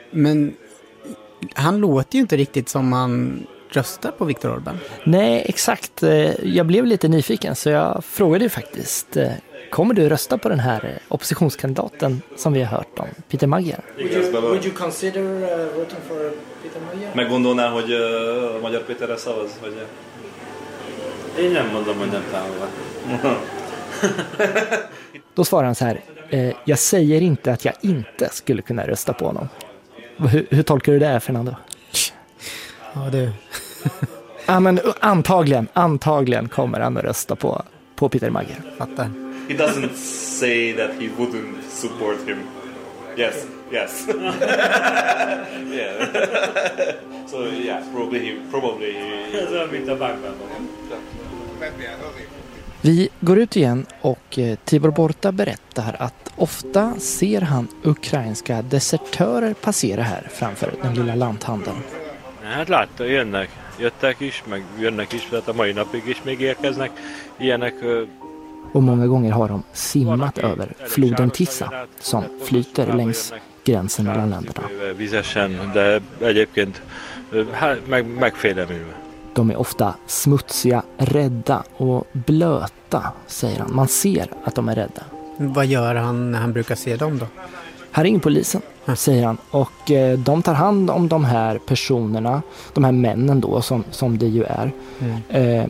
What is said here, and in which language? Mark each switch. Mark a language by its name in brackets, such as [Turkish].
[Swedish] Men han låter ju inte riktigt som man röstar på Viktor Orbán. Nej, exakt. Jag blev lite nyfiken så jag frågade ju faktiskt, kommer du rösta på den här oppositionskandidaten som vi har hört om, Peter Magyar? [English] Would you consider voting for Peter Magyar? [Hungarian] Megmondaná, hogy Magyar Péterre szavaz, vagy? Én nem mondom, hogy nem támogat. [Swedish] Då svarar han så här, jag säger inte att jag inte skulle kunna rösta på honom. Hur tolkar du det, Fernando? Ja, du. Ja, men antagligen kommer han att rösta på Peter Magyar. Fattar. [English] He doesn't say that he wouldn't support him. Yes, yes. Yeah. So yeah, probably. [Swedish] Så mitt bankbanan. Vi går ut igen och Tibor Borta berättar att ofta ser han ukrainska desertörer passera här framför den lilla lanthandeln. [Hungarian] Hát látta, jönnek, jöttek is, meg jönnek is, tehát a mai napig is még érkeznek, ilyenek. [Swedish] Och många gånger har de simmat över floden Tisza som flyter längs gränsen mellan länderna. [Hungarian] Vizesen, de egyébként megfélemülve. [Swedish] De är ofta smutsiga, rädda och blöta, säger han. Man ser att de är rädda. Vad gör han när han brukar se dem då? Här ringer polisen, säger han. Och de tar hand om de här personerna, de här männen då, som det ju är. Mm.